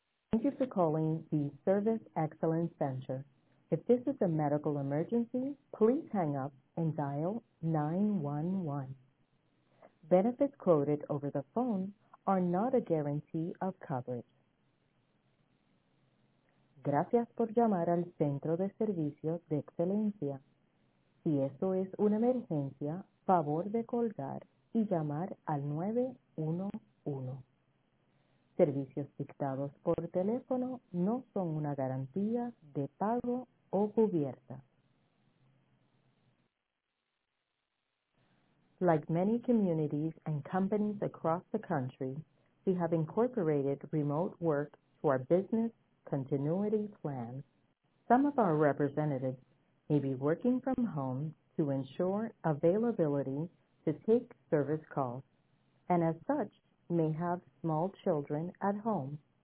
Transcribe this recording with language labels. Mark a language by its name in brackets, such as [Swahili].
[English] Thank you for calling the Service Excellence Center. If this is a medical emergency, please hang up and dial 911. Benefits quoted over the phone are not a guarantee of coverage. [Spanish] Gracias por llamar al Centro de Servicios de Excelencia. Si esto es una emergencia, favor de colgar y llamar al 911. Servicios dictados por teléfono no son una garantía de pago o cubierta. [English] Like many communities and companies across the country, we have incorporated remote work to our business continuity plan. Some of our representatives may be working from home to ensure availability to take service calls, and as such, may have small children at home.